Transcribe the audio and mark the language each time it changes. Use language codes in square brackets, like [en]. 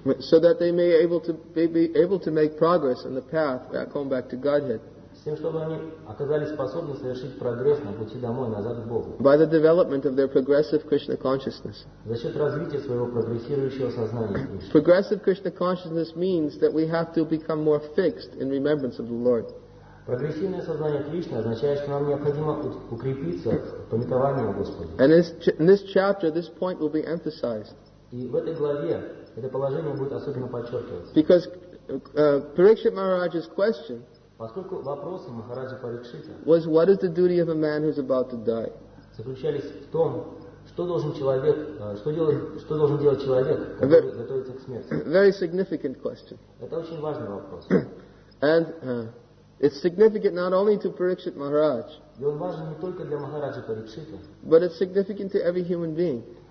[en] So that they may be able to make progress on the path going back to Godhead. By the development of their progressive Krishna consciousness. Progressive Krishna consciousness means that we have to become more fixed in remembrance of the Lord. [ru] Прогрессивное сознание Кришны означает, что нам необходимо укрепиться в памятовании о Господе. [en] And in this chapter, this point will be emphasized. [ru] И в этой главе это положение будет особенно подчеркиваться. [en] Because Parikshit Maharaj's question, [ru] поскольку вопросы Махараджа Парикшита, [en] was what is the duty of a man who's about to die? [ru] Заключались в том, что должен делать человек, который готовится к смерти. [en] Very significant question. [ru] Это очень важный вопрос. [en] And it's significant not only to Parikshit Maharaj, but it's significant to every human being.